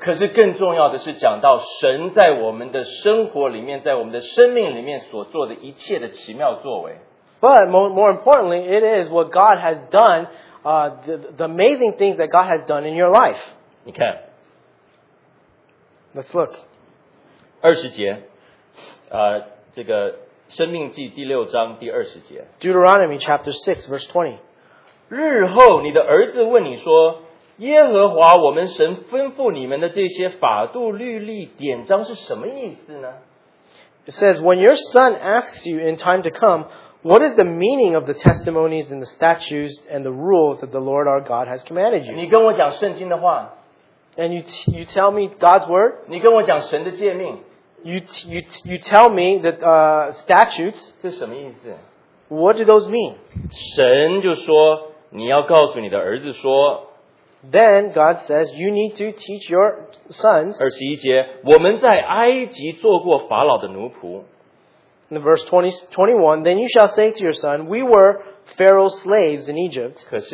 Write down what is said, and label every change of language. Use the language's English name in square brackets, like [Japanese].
[Chinese] 可是更重要的是讲到神在我们的生活里面，在我们的生命里面所做的一切的奇妙作为。 [English] But more importantly, it is what God has done, the amazing things that God has done in your life. [Chinese] 你看, [English] let's look. [Chinese] 20节, 这个生命记第六章第20节。 [English] Deuteronomy chapter 6, verse 20. [Chinese] 日后你的儿子问你说, 耶和华我们神吩咐你们的这些法度律例典章是什么意思呢? [English] It says, when your son asks you in time to come, what is the meaning of the testimonies and the statutes and the rules that the Lord our God has commanded you? [Chinese] 你跟我讲圣经的话, [English] and you tell me God's word? [Chinese] 你跟我讲神的诫命, [English] you tell me the statutes? [Chinese] 这什么意思? [English] What do those mean? [Chinese] 神就说,你要告诉你的儿子说, [English] then God says, you need to teach your sons. [Chinese] 21节, 我们在埃及做过法老的奴仆。 [English] In verse 21, then you shall say to your son, we were Pharaoh's slaves in Egypt.